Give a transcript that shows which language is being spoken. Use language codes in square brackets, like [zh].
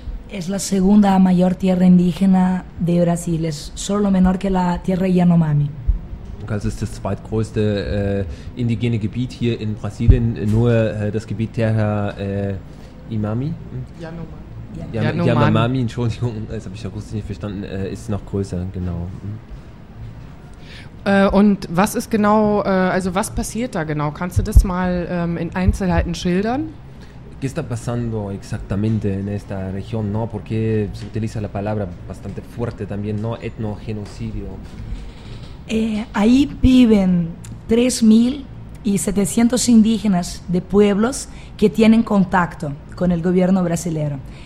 [es] Es la segunda mayor tierra indígena de Brasil, es solo menor que la tierra Yanomami. [de] Also es ist das zweitgrößte indigene Gebiet hier in Brasilien, nur das Gebiet Terra Imami. Yanomami. Yanomami, Entschuldigung, das habe ich ja kurz nicht verstanden, ist noch größer, genau. Und was ist genau, also was passiert da genau? Kannst du das mal in Einzelheiten schildern? [es] ¿Qué está pasando exactamente en esta región, no? Porque se utiliza la palabra bastante fuerte también, ¿no? Etnogenocidio. Ahí viven 3.700 indígenas de pueblos que tienen contacto con el gobierno brasileño.